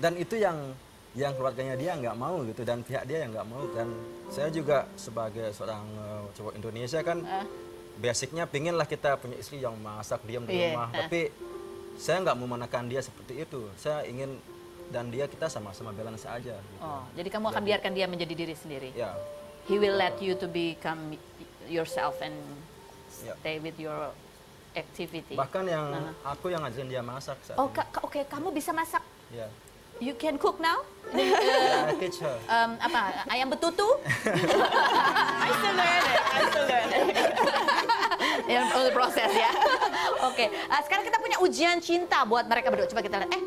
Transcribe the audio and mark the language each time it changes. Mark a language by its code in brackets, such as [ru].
[id] Dan itu yang keluarganya dia enggak mau gitu dan pihak dia yang enggak mau dan saya juga sebagai seorang cowok Indonesia kan basicnya pinginlah kita punya istri yang masak diam di rumah tapi saya enggak memanakan dia seperti itu. Saya ingin dan dia kita sama-sama balance aja gitu. Oh, jadi kamu akan biarkan dia menjadi diri sendiri. Ya. [en] He will let you to become yourself and stay with your activity. [id] Bahkan yang aku yang ngajarin dia masak saat ini. Okay, kamu bisa masak? Ya. [en] You can cook now? Yeah, I teach her. [id] Apa? Ayam betutu? [en] I still learn it. I still learn it. [id] Yang [en] all the process [id] ya. Oke. Okay. Sekarang kita punya ujian cinta buat mereka berdua. Coba kita lihat.